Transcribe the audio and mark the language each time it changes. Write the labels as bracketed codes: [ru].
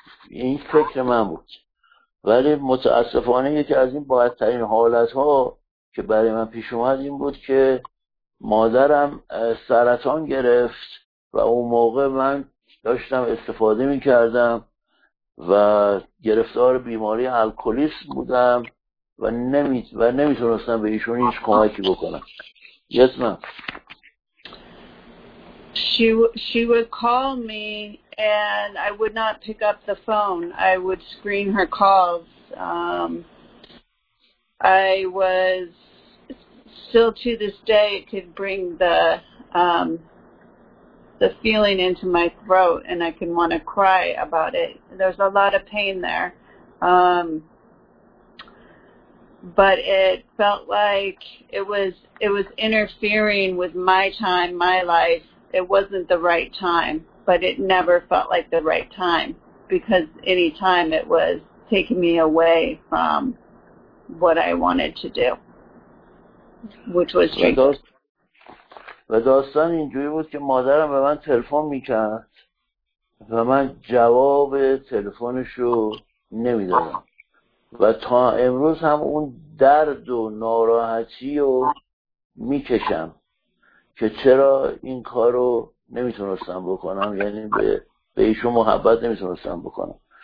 [fa] این فکر من بود، ولی متاسفانه یکی از این بدترین حالتها که برای من پیش اومد این بود که مادرم سرطان گرفت و اون موقع من داشتم استفاده میکردم و گرفتار بیماری الکلیسم بودم و نمیتونستم به ایشون هیچ کمکی بکنم. [en] Yes, ma'am. She would call me and I would not pick up the phone. I would screen her calls. I was still to this day it could bring the feeling into my throat and I can want to cry about it. There's a lot of pain there. But it felt like it was interfering with my time, my life. It wasn't the right time, but it never felt like the right time because any time it was taking me away from what I wanted to do, which was [fa] و داستان اینجوری بود که مادرم به من تلفن میکرد و من جواب تلفنش رو نمیدادم و تا امروز هم اون درد و ناراحتی رو میکشم که چرا این کارو نمیتونستم بکنم، یعنی به ایشون محبت نمیتونستم بکنم.